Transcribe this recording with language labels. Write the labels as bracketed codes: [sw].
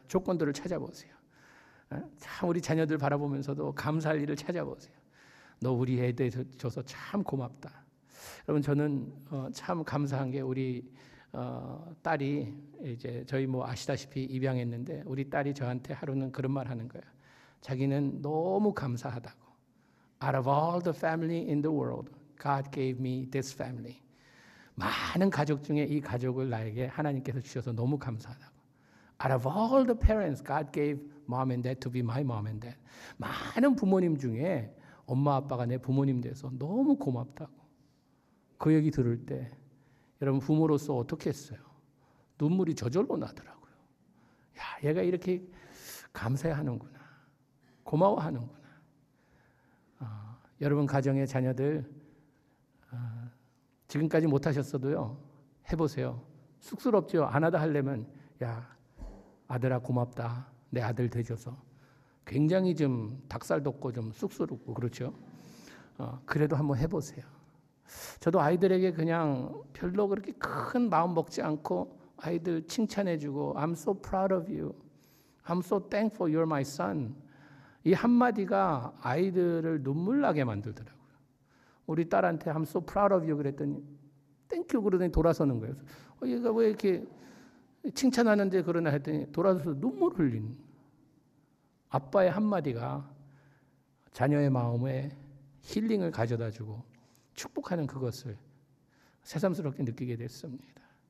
[ko] 조건들을 찾아보세요. 참 우리 자녀들 바라보면서도 감사할 일을 찾아보세요. 너 우리 애에 대해서 줘서 참 고맙다. 여러분 저는 참 감사한 게 우리 딸이 이제 저희 뭐 아시다시피 입양했는데 우리 딸이 저한테 하루는 그런 말 하는 거야. 자기는 너무 감사하다고. [en] Out of all the family in the world, God gave me this family. [ko] 많은 가족 중에 이 가족을 나에게 하나님께서 주셔서 너무 감사하다고. [en] Out of all the parents, God gave mom and dad to be my mom and dad. [ko] 많은 부모님 중에 엄마 아빠가 내 부모님 돼서 너무 고맙다고. 그 얘기 들을 때 여러분 부모로서 어떻게 했어요? 눈물이 저절로 나더라고요. 야, 얘가 이렇게 감사해하는구나. 고마워하는구나. 여러분 가정의 자녀들 지금까지 못하셨어도요. 해보세요. 쑥스럽죠. 안 하다 하려면 야, 아들아 고맙다. 내 아들 되셔서. 굉장히 좀 닭살 돋고 좀 쑥스럽고 그렇죠. 그래도 한번 해보세요. 저도 아이들에게 그냥 별로 그렇게 큰 마음 먹지 않고 아이들 칭찬해주고 [en] I'm so proud of you. I'm so thankful you're my son. [ko] 이 한마디가 아이들을 눈물나게 만들더라고요. 우리 딸한테 [en] I'm so proud of you [ko] 그랬더니 [en] Thank you [ko] 그러더니 돌아서는 거예요. 얘가 왜 이렇게 칭찬하는데 그러나 했더니 돌아서서 눈물 흘린 아빠의 한마디가 자녀의 마음에 힐링을 가져다주고 축복하는 그것을 새삼스럽게 느끼게 됐습니다.